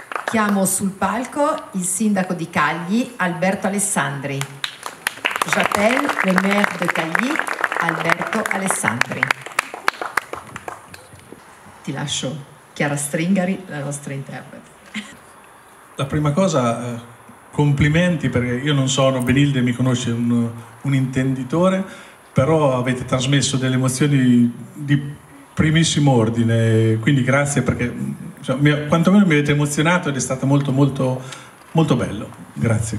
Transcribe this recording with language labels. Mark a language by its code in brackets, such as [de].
[it] Chiamo sul palco il sindaco di Cagli, Alberto Alessandri. [fr] J'appelle le maire de Cagli, Alberto Alessandri. [it] Ti lascio, Chiara Stringari, la nostra interprete. La prima cosa, complimenti, perché io non sono, Benilde mi conosce, un intenditore, però avete trasmesso delle emozioni di primissimo ordine, quindi grazie, perché quantomeno mi avete emozionato ed è stato molto molto molto bello, grazie.